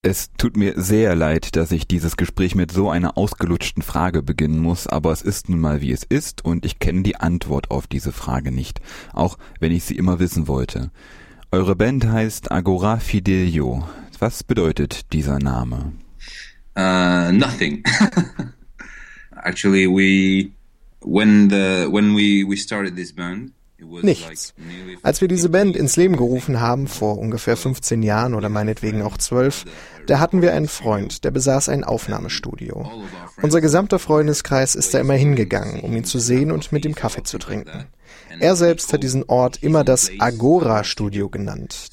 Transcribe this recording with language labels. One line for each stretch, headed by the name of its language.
German: Es tut mir sehr leid, dass ich dieses Gespräch mit so einer ausgelutschten Frage beginnen muss, aber es ist nun mal, wie es ist, und ich kenne die Antwort auf diese Frage nicht, auch wenn ich sie immer wissen wollte. Eure Band heißt Agora Fidelio. Was bedeutet dieser Name?
English: Nothing. Actually, when we started this band,
German: nichts. Als wir diese Band ins Leben gerufen haben, vor ungefähr 15 Jahren oder meinetwegen auch 12, da hatten wir einen Freund, der besaß ein Aufnahmestudio. Unser gesamter Freundeskreis ist da immer hingegangen, um ihn zu sehen und mit ihm Kaffee zu trinken. Er selbst hat diesen Ort immer das Agora-Studio genannt.